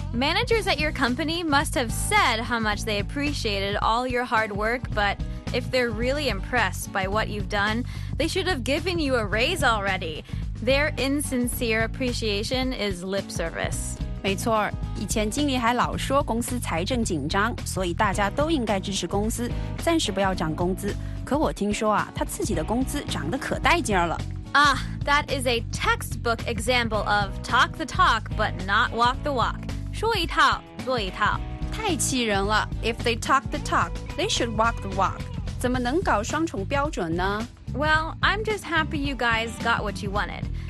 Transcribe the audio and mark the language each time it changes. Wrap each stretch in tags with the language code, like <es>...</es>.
<en>Managers at your company must have said how much they appreciated all your hard work, but if they're really impressed by what you've done, they should have given you a raise already. Their insincere appreciation is lip service.</en> <zh>没错，以前经理还老说公司财政紧张，所以大家都应该支持公司，暂时不要涨工资。可我听说啊，他自己的工资涨得可带劲了。</zh> <en>That is a textbook example of talk the talk but not walk the walk.</en> <zh>说一套，做一套。太气人了。If</zh> <en>they talk the talk, they should walk the walk.</en> <zh>怎么能搞双重标准呢？</zh> <en>Well, I'm just happy you guys got what you wanted.</en>